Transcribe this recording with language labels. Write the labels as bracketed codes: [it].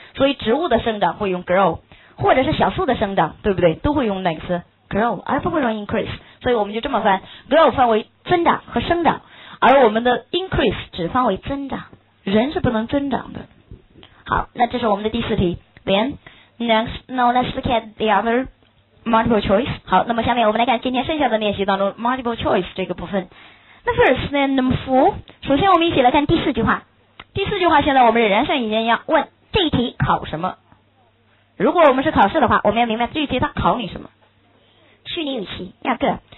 [zh] 所以植物的生长会用 grow， 或者是小树的生长，对不对？都会用哪个词 grow， 而不会用 increase。所以我们就这么翻 grow 分为增长和生长，而我们的 increase 只分为增长，人是不能增长的。好，那这是我们的第四题。 [en] Then next, now let's look at the otherMultiple choice. [zh] 好，那么下面我们来看今天剩下的练习当中 Multiple choice 这个部分。那 first then number four，首先我们一起来看第四句话。第四句话现在我们仍然像以前一样问这一题考什么。如果我们是考试的话，我们要明白这一题它考你什么。虚拟语气， yeah, good。